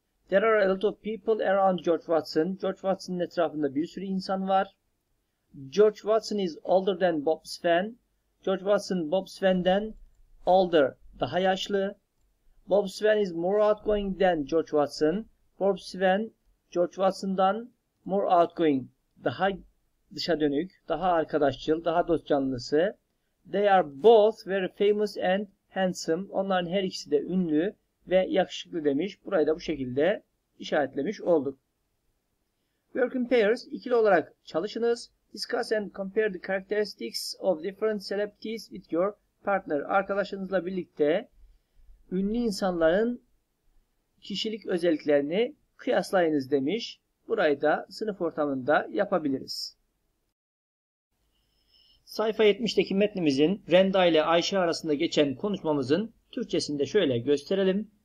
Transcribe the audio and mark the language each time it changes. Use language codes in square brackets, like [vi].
[en] There are a lot of people around George Watson. [tr] George Watson'ın etrafında bir sürü insan var. [en] George Watson is older than Bob Swan. George Watson Bob Swan'den older, [tr] daha yaşlı. [en] Bob Swan is more outgoing than George Watson. [tr] Bob Swan, George Watson'dan [en] more outgoing, [tr] daha dışa dönük, daha arkadaşçıl, daha dost canlısı. [en] They are both very famous and handsome. [tr] Onların her ikisi de ünlü ve yakışıklı demiş. Burayı da bu şekilde işaretlemiş olduk. [en] Work in pairs, [tr] ikili olarak çalışınız. [en] Discuss and compare the characteristics of different celebrities with your partner. [tr] Arkadaşınızla birlikte ünlü insanların kişilik özelliklerini kıyaslayınız demiş. Burayı da sınıf ortamında yapabiliriz. Sayfa 70'teki metnimizin Renda ile Ayşe arasında geçen konuşmamızın Türkçesini de şöyle gösterelim.